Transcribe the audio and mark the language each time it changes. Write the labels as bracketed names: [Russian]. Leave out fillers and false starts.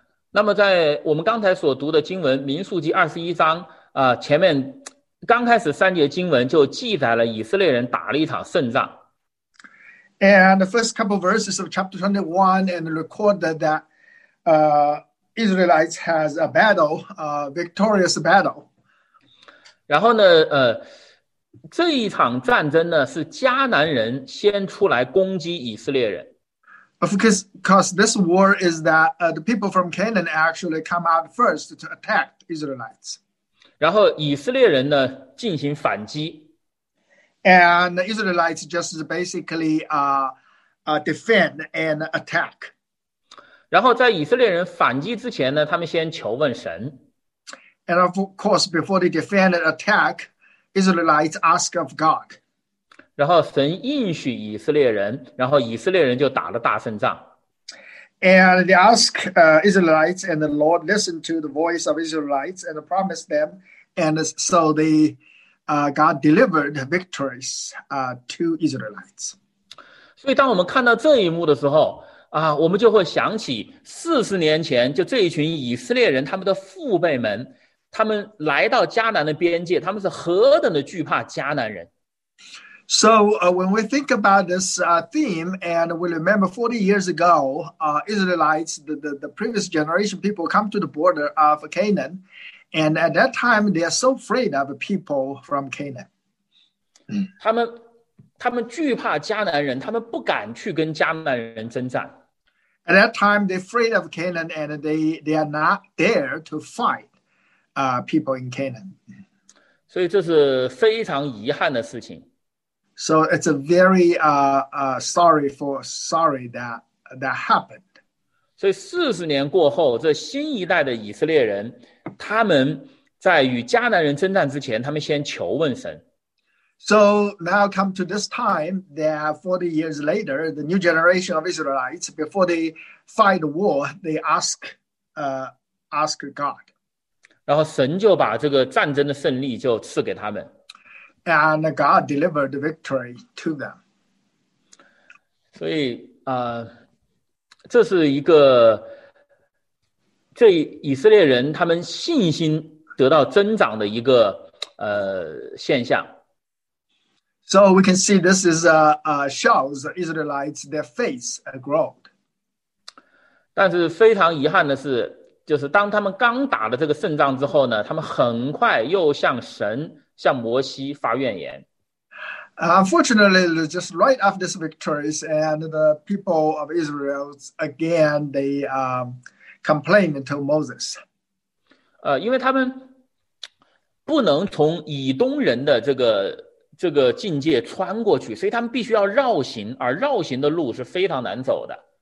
[Chinese] 那么在我们刚才所读的经文民数记二十一章前面刚开始三节经文就记载了以色列人打了一场胜仗。 [English] And the first couple of verses of chapter 21 and recorded that Israelites has a battle, a victorious battle. [Chinese] 然后呢，这一场战争呢是迦南人先出来攻击以色列人。 [English] Of course, this war is that the people from Canaan actually come out first to attack Israelites. [Chinese] 然后以色列人呢进行反击。 [English] And the Israelites just basically defend and attack. [Chinese] 然后在以色列人反击之前呢，他们先求问神。 [English] And of course, before they defend and attack, Israelites ask of God. [Chinese] 然后神应许以色列人，然后以色列人就打了大胜仗。 [English] And they ask Israelites, and the Lord listened to the voice of Israelites and promised them, and so they. God delivered victories to Israelites. [Chinese] 所以当我们看到这一幕的时候我们就会想起40年前就这一群以色列人他们的父辈们他们来到迦南的边界，他们是何等的惧怕迦南人。 [English] So, when we think about this theme, and we remember 40 years ago, Israelites, the previous generation people come to the border of Canaan, and at that time, they are so afraid of people from Canaan. [Chinese] 他们惧怕迦南人，他们不敢去跟迦南人征战。 [English] At that time, they're afraid of Canaan, and they are not there to fight people in Canaan. [Chinese] 所以这是非常遗憾的事情。 [English] So it's a very sorry that happened. [Chinese] 所以40年过后，这新一代的以色列人，他们在与迦南人征战之前，他们先求问神。 [English] So now come to this time that 40 years later, the new generation of Israelites, before they fight the war, they ask God. [Chinese] 然后神就把这个战争的胜利就赐给他们。 [English] And God delivered the victory to them. [Chinese] 所以这是一个这以色列人他们信心得到增长的一个现象。 [English] So we can see this is shows Israelites their faith growth. [Chinese] 但是非常遗憾的是，就是当他们刚打了这个胜仗之后呢，他们很快又向神、向摩西发怨言。 [English] Unfortunately, just right after this victory, and the people of Israel again they complained to Moses. [Chinese] 因为他们不能从以东人的这个境界穿过去，所以他们必须要绕行，而绕行的路是非常难走的。